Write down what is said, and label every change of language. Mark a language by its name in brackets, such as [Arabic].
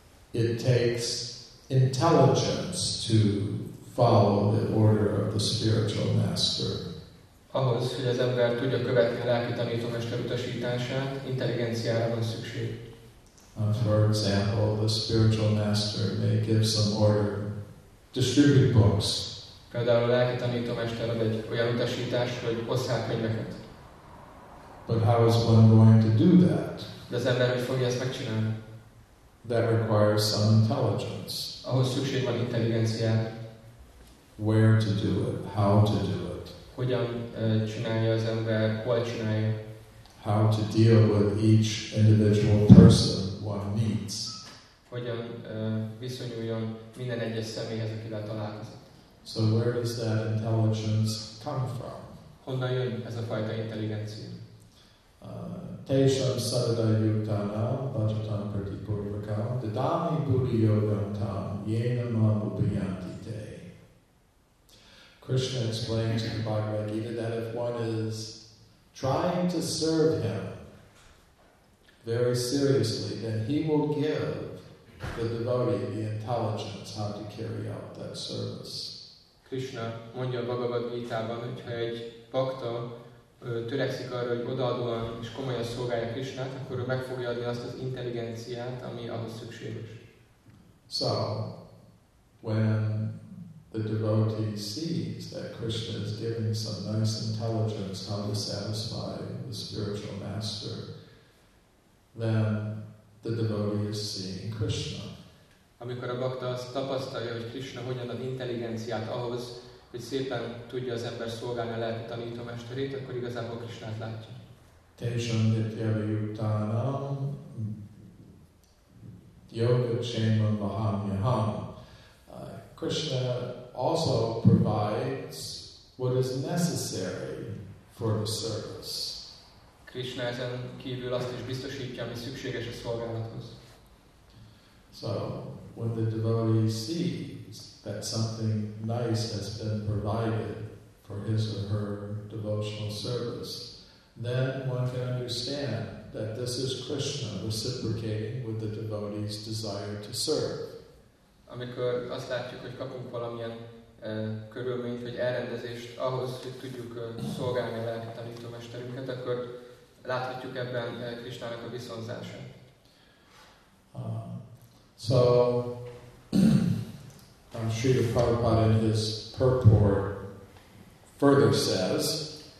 [English] It takes intelligence to follow the order of the spiritual master. [Hungarian] Ahhoz, hogy az ember tudja követni a lelki tanítómester utasítását, intelligenciára van szükség. [English] For example, the spiritual master may give some order, distribute books. [Hungarian] Például a lelki tanítómester ad egy olyan utasítást, hogy osszák könyveket. [English] But how is one going to do that? [Hungarian] De az ember hogy fogja ezt megcsinálni? [English] That requires some intelligence. [Hungarian] Ahhoz szükség van intelligenciára. [English] Where to do it, how to do it. [Hungarian] Hogyan csinálja az ember, hol csinálja. [English] How to deal with each individual person one meets. [Hungarian] Hogyan viszonyuljon minden egyes személyhez, akivel találkozott. [English] So where does that intelligence come from? [Hungarian] Honnan jön ez a fajta intelligencia? [Sanskrit] Tesham sarada yuktana bhajatam pratipurvakam didami buddhi yogantam yenam abhubhyanti te. [English] Krishna explains in the Bhagavad Gita that if one is trying to serve him very seriously, then he will give the devotee the intelligence how to carry out that service. [Hungarian] Krishna mondja a Bhagavad Gita-ban, hogyha egy bhakta törekszik arra, hogy odaadóan és komolyan szolgálja Krishnát, akkor ő meg fogja adni azt az intelligenciát, ami ahhoz szükséges. [English] So, when the devotee sees that Krishna is giving some nice intelligence how to satisfy the spiritual master, then the devotee is seeing Krishna. [Hungarian] Amikor a bhakta azt tapasztalja, hogy Krishna hogyan ad intelligenciát ahhoz, hogy szépen tudja az ember szolgálni a lelki tanítómesterét, akkor igazából Krishnát látja. [Sanskrit] Tesham nityava yuktanam yoga kshemam vahamyaham. [English] Krishna also provides what is necessary for the service. [Hungarian] Krishna ezen kívül azt is biztosítja, ami szükséges a szolgálathoz. [English] So, when the devotee sees that something nice has been provided for his or her devotional service, then one can understand that this is Krishna reciprocating with the devotee's desire to serve. [Hungarian] Amikor azt látjuk, hogy kapunk valamilyen körülményt vagy elrendezést ahhoz, hogy tudjuk szolgálni a lelki tanítómesterünket, akkor láthatjuk ebben Krisnának a viszonzását. [English] So, Srila Prabhupada in his purport further says,